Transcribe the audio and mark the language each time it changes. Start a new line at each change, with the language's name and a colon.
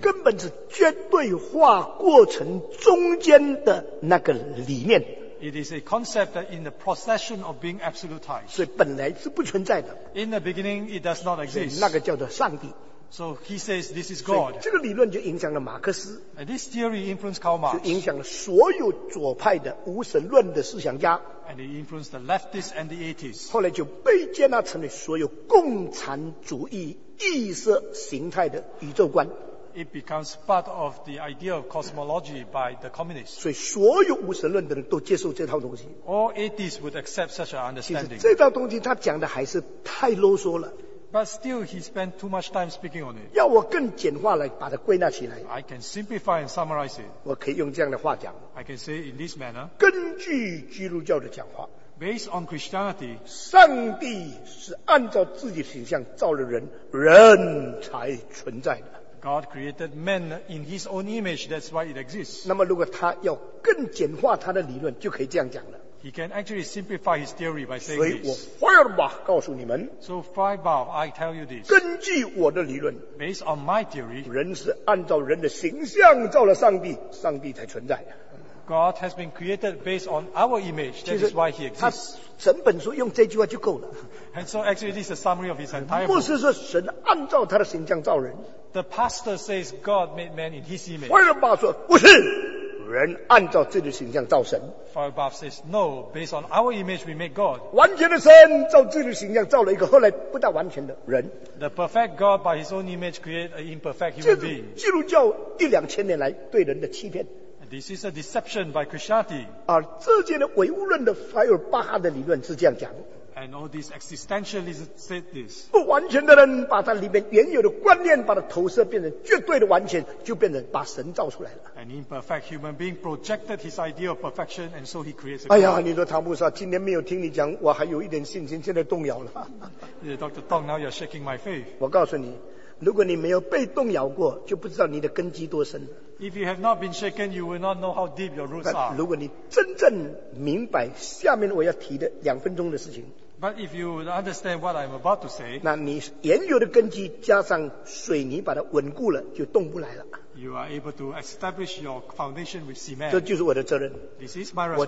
Chinese: 根本是绝对化过程中间的那个理念
English: it is a concept that in the procession of being absolutized,
Chinese: 所以本来是不存在的
English: in the beginning it does not exist,
Chinese: 那个叫做上帝
English: so he says this is God,
Chinese: 这个理论就影响了马克思
English: and this theory influenced Karl Marx,
Chinese: 就影响了所有左派的无神论的思想家
English: And it influenced the leftists and the atheists.
Chinese: 后来就被接纳成为所有共产主义意识形态的宇宙观。
English: It becomes part of the idea of cosmology by the communists.
Chinese: 所以所有无神论的人都接受这套东西。
English: All atheists would accept such an understanding.
Chinese: 其实这套东西他讲的还是太啰嗦了。
English: But still, he spent too much time speaking on it.
Chinese: 要我更简化来把它归纳起来。
English: I can simplify and summarize it.
Chinese: 我可以用这样的话讲。
English: I can say in this manner.
Chinese: 根据基督教的讲话。
English: Based on Christianity.
Chinese: 上帝是按照自己的形象造了人，人才存在的。
English: God created man in His own image. That's why it exists.
Chinese: 那么，如果他要更简化他的理论，就可以这样讲了。
English: He can actually simplify his theory by saying this.
Chinese: 所以我 Feuerbach 告诉你们
English: So Feuerbach, I tell you this.
Chinese: 根据我的理论
English: Based on my theory.
Chinese: 人是按照人的形象造了上帝，上帝才存在。
English: God has been created based on our image. That is why he exists.
Chinese: 他整本书用这句话就够了。
English: And so actually this is a summary of his entire book.
Chinese: 牧师说神按照他的形象造人。
English: The pastor says God made man in his image.
Chinese: Feuerbach 说不是。人按照自己的形象造神。
English: Feuerbach says, no, based on our image, we make God.
Chinese: 完全的神照自己的形象造了一个后来不大完全的人。
English: The perfect God by his own image created an imperfect human being.
Chinese: 基督教一两千年来对人的欺骗。
English: This is a deception by Krishnati.
Chinese: 而这些的唯物论的凡尔巴哈的理论是这样讲。
English: And all these existentialists said this.
Chinese: 不完全的人把它里面原有的观念把它投射变成绝对的完全，就变成把神造出来了。
English: An imperfect human being projected his idea of perfection, and so he creates.
Chinese: 哎呀，你说唐牧师，今天没有听你讲，我还有一点信心，现在动摇了。
English: Yeah, Dr. Tong, now you're shaking my faith.
Chinese: 我告诉你，如果你没有被动摇过，就不知道你的根基多深。
English: If you have not been shaken, you will not know how deep your roots are.
Chinese: 如果你真正明白下面我要提的两分钟的事情。
English: But if you understand what I'm about to say,
Chinese: 那你原有的根基加上水泥把它稳固了，就动不来了。
English: You are able to establish your foundation with cement.
Chinese: 这就是我的责任。
English: This is my responsibility.